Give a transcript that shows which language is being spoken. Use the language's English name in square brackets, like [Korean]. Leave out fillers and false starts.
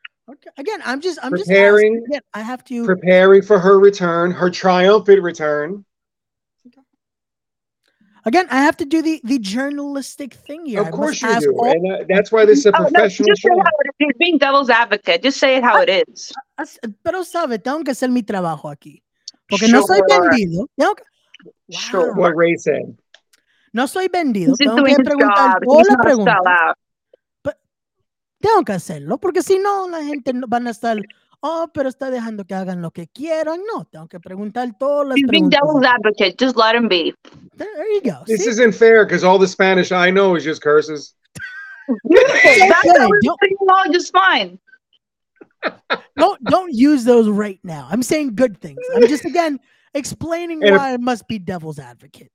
[English] Okay. Again, I'm just preparing. I have to preparing for her return, her triumphant return. Again, I have to do the journalistic thing here. Of course you do. And that's why this is a professional show. Just say how it is. You're being devil's advocate. Just say it how it is. [Spanish] Pero sabe, tengo que hacer mi trabajo aquí. Porque no soy vendido. [English] Sure, what Ray said. [Spanish] No soy vendido. Tengo que preguntar todas las preguntas. Tengo que hacerlo, porque si no, la gente van a estar, oh, pero está dejando que hagan lo que quieran. No, tengo que preguntar todas las preguntas. [English] He's being devil's advocate. Just let him be. There you go. This isn't fair because all the Spanish I know is just curses. That's fine. Don't use those right now. I'm saying good things. I'm just again explaining why I must be devil's advocate.